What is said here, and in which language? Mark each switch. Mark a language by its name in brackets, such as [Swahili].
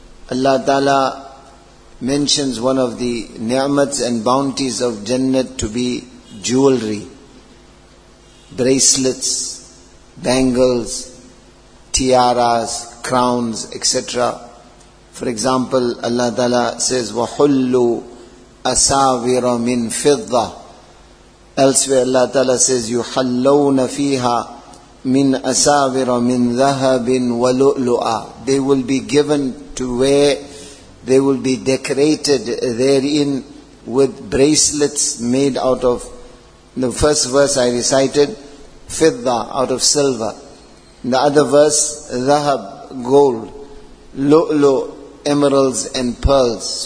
[English] Allah Ta'ala mentions one of the ni'mats and bounties of Jannat to be jewelry, bracelets, bangles, tiaras, crowns, etc. For example, Allah Ta'ala says, [Arabic] وَحُلُّ أَسَاوِرَ مِنْ فِضَّةٍ. [English] Elsewhere Allah Ta'ala says, [Arabic] يُحَلَّوْنَ فِيهَا مِنْ أَسَاوِرَ مِنْ ذَهَبٍ وَلُؤْلُؤَ. [English] They will be given to wear, they will be decorated therein with bracelets made out of, the first verse I recited, فِضَّة, out of silver. In the other verse, ذهب, gold, لؤلؤ, emeralds and pearls.